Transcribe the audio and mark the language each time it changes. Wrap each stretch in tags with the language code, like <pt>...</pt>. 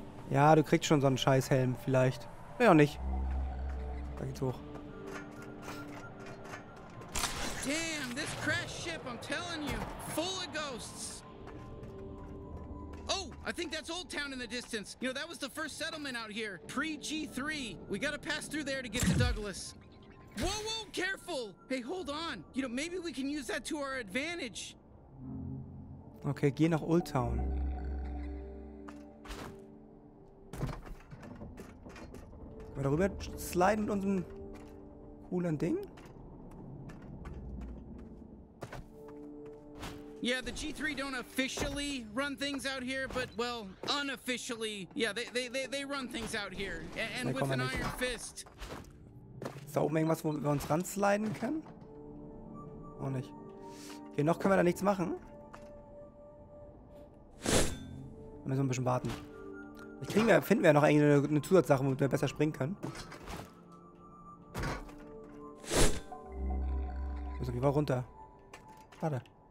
<de>Ja, du kriegst schon so einen Scheißhelm vielleicht. Ja, auch nicht. Da geht's hoch.</de> <en>Damn, this crash ship, I'm telling you, full of ghosts. Oh, I think that's Old Town in the distance. You know, that was the first settlement out here, pre-G3. We gotta pass through there to get to Douglas. Whoa, whoa, careful! Hey, hold on. You know, maybe we can use that to our advantage.</en> <de>Okay, geh nach Old Town. Mal darüber sliden mit unserem coolen Ding.</de> <en>Yeah, the G3 don't officially run things out here, but well, unofficially, yeah, they run things out here. And with an iron fist.</en> <de>Ist da oben irgendwas, wo wir uns ransliden können? Auch nicht. Okay, noch können wir da nichts machen. Da müssen wir ein bisschen warten. Vielleicht finden wir ja noch eine Zusatzsache, wo wir besser springen können. Wir müssen auf jeden Fall runter. Warte.</de>